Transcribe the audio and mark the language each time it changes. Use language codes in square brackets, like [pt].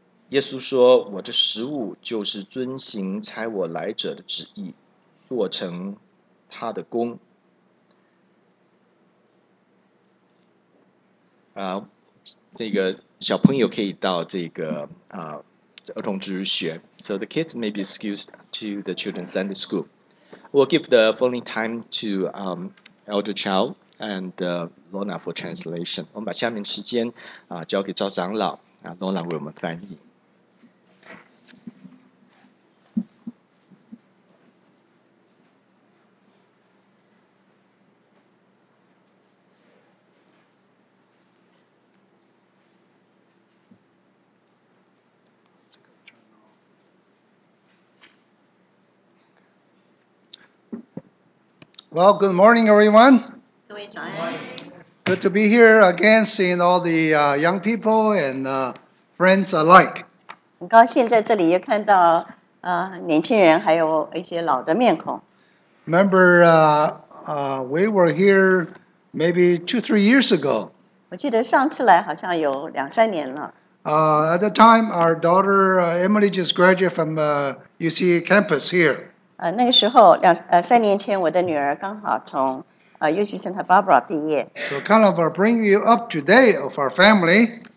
[zh] 耶稣说，我这食物就是遵行差我来者的旨意，做成他的功。这个小朋友可以到这个儿童之学。 [en] So the kids may be excused to the children's Sunday school. We'll give the following time to Elder Chow and Lorna for translation. [zh] 我们把下面时间交给赵长老Lorna 为我们翻译。 [en] Well, good morning, everyone. Good morning. Good to be here again, seeing all the young people and friends alike. [zh] 很高兴在这里又看到年轻人还有一些老的面孔。 [en] Remember, we were here maybe 2-3 years ago. [zh] 我记得上次来好像有两三年了。 [en] At the time, our daughter Emily just graduated from UC campus here. [zh] 那个时候两三年前，我的女儿刚好从UC Santa Barbara 毕业。 [en] So kind of bring you up to date of our family.